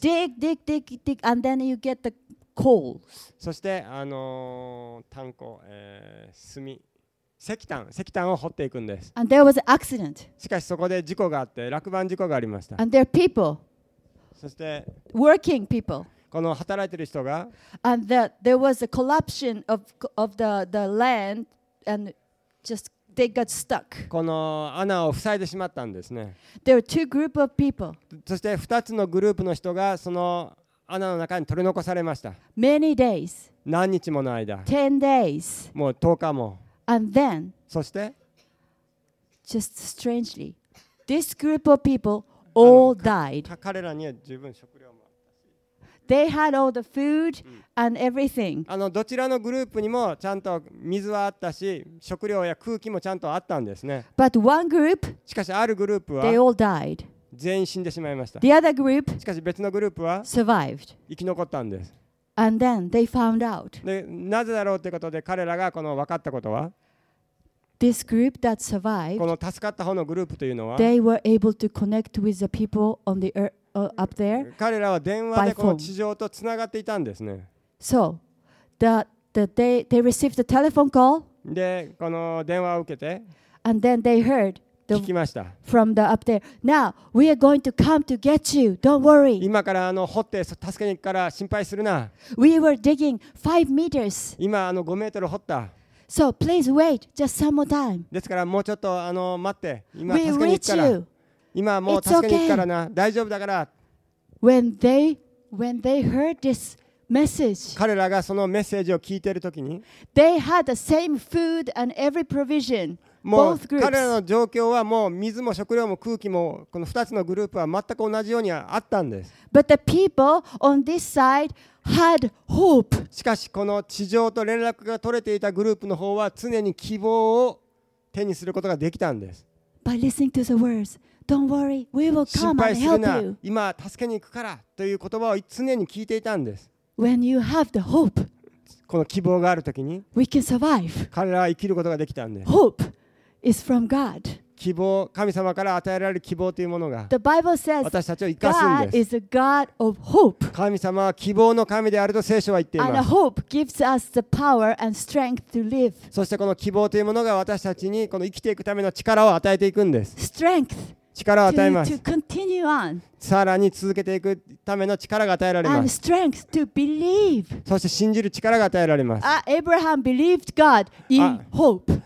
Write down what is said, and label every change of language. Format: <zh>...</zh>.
<en>You dig, dig, dig, dig, and then you get the coal.</en> <ja>そして、炭鉱、炭。石炭を掘っていくんです。</ja> <en>And there was an accident.</en> <ja>しかしそこで事故があって、落盤事故がありました。</ja> <en>And there are people.</en> <ja>そして、</ja> <en>working people.</en> <ja>この働いている人が、</ja> <en>And there was a collapse of the land and just they got stuck.</en> <ja>この穴を塞いでしまったんですね。</ja> <en>There were two group of people.</en> <ja>そして二つのグループの人がその穴の中に取り残されました。</ja> <en>Many days.</en> <ja>何日もの間。</ja> <en>Ten days.</en> <ja>もう十日も。</ja> <en>And then.</en> <ja>そして。</ja> <en>Just strangely, this group of people all died.</en> <ja>彼らには十分食料もあったし。</ja> <en>They had all the food and everything.</en> <ja>どちらのグループにもちゃんと水はあったし、食料や空気もちゃんとあったんですね。</ja> <en>But one group.</en> <ja>しかしあるグループは。</ja> <en>They all died.</en> <ja>全員死んでしまいました。</ja> <en>The other group</en> <ja>しかし別のグループは</ja> <en>survived.</en> <ja>生き残ったんです。</ja> <en>And then they found out.</en> <ja>で、なぜだろうということで彼らがこの分かったことは</ja> <en>This group that survived,</en> <ja>この助かった方のグループというのは</ja> <en>they were able to connect with the people on the earth, up there.</en> <ja>彼らは電話でこの地上とつながっていたんですね。</ja> <en>So, they received a telephone call.</en> <ja>で、この電話を受けて</ja> <en>And then they heard.</en> <ja>聞きました。</ja> <en>From the up there. Now we are going to come to get you. Don't worry.</en> <ja>今から掘って助けに行くから心配するな。</ja> <en>We were digging 5 meters.</en> <ja>今5メートル掘った。</ja> <en>So please wait just some more time.</en> <ja>ですからもうちょっと待って。今助けに行くから。</ja> <en>We reach you.</en> <ja>今もう助けに行くからな。大丈夫だから。</ja> <en>When they heard this message.</en> <ja>彼らがそのメッセージを聞いているときに。</ja> <en>They had the same food and every provision.</en> <ja>もう彼らの状況はもう水も食料も空気もこの2つのグループは全く同じようにあったんです。</ja> <en>But the people on this side had hope.</en> <ja>しかしこの地上と連絡が取れていたグループの方は常に希望を手にすることができたんです。</ja> <en>By listening to the words, don't worry, we will come and help you.</en> <ja>心配するな、今助けに行くからという言葉を常に聞いていたんです。</ja> <en>When you have the hope.</en> <ja>この希望があるときに</ja> <en>We can survive.</en> <ja>彼らは生きることができたんです。</ja> <en>Hope is from God.</en> <ja>希望、神様から与えられる希望というものが</ja> <en>The Bible says</en> <ja>私たちを生かすんです。</ja> <en>God is a God of hope.</en> <ja>神様は希望の神であると聖書は言っています。</ja> <en>And hope gives us the power and strength to live.</en> <ja>そしてこの希望というものが私たちにこの生きていくための力を与えていくんです。</ja> <en>Strength</en> <ja>力を与えます。</ja> <en>To continue on.</en> <ja>さらに続けていくための力が与えられます。</ja> <en>And strength to believe.</en> <ja>そして信じる力が与えられます。</ja> <en>Abraham believed God in hope.</en>